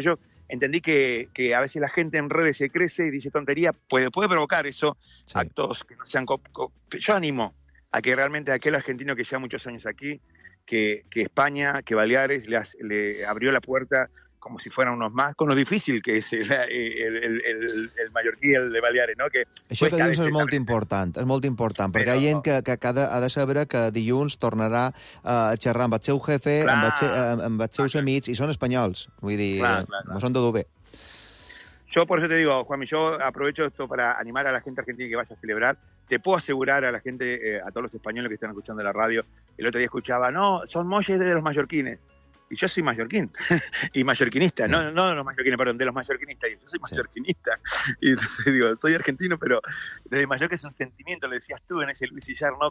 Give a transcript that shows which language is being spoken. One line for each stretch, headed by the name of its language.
Spanish: Entonces yo entendí que a veces la gente en redes se crece y dice tontería, puede provocar eso, sí. Actos que no sean, yo animo a que realmente aquel argentino que lleva muchos años aquí, que España, que Baleares le abrió la puerta como si fueran unos más, con lo difícil que es el mallorquí, el de Baleares, ¿no? Que
Catalan: això que dius és molt important, és molt important, perquè hi ha gent que ha de saber que dilluns tornarà a xerrar amb el seu jefe, amb els seus amics, i són espanyols, vull dir, no són de dubte.
Spanish: Yo por eso te digo, Juanmi, yo aprovecho esto para animar a la gente argentina que vaya a celebrar. Te puedo asegurar a la gente, a todos los españoles que están escuchando la radio, el otro día escuchaba, no, son molles de los mallorquines. Y yo soy mallorquín y mallorquinista, de los mallorquinistas, yo soy mallorquinista. Y entonces digo, soy argentino, pero desde Mallorca es un sentimiento, le decías tú en ese Luis Illar, ¿no?